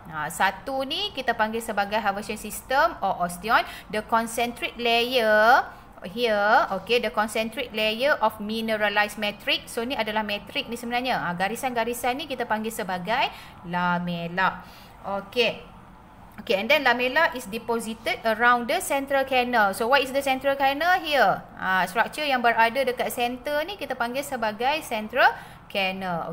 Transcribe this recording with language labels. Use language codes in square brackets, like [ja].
[ms] Satu ni kita panggil sebagai Haversian system or osteon. [en] The concentric layer here, okay, the concentric layer of mineralized matrix. [ms] So ni adalah matrix ni sebenarnya. Garisan-garisan ni kita panggil sebagai lamella. [en] Okay. Okay, and then lamella is deposited around the central canal. So what is the central canal here? [ms] Structure yang berada dekat center ni kita panggil sebagai central canal.